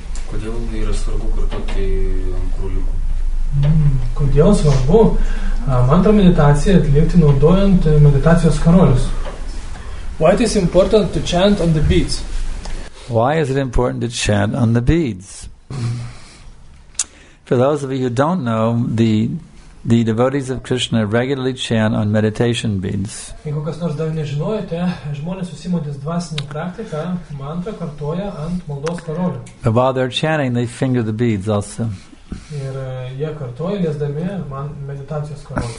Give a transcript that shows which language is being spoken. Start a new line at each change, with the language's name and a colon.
Lithuanian: Kodėl yra svarbu kartuoti ant kruliukų? Kodėl svarbu mantra meditaciją atlikti naudojant meditacijos karolius?
English: Why it is important to chant on the beads? Why is it important to chant on the beads? For those of you who don't know, the devotees of Krishna regularly chant on meditation beads.
Lithuanian: Jeigu kas nors dar nežinojote, žmonės susimodis dvasinį praktiką mantrą kartoja ant maldos karolių.
English: But while they're chanting, they finger the beads also.
Lithuanian: Ir jie kartoja, liesdami meditacijos karolių.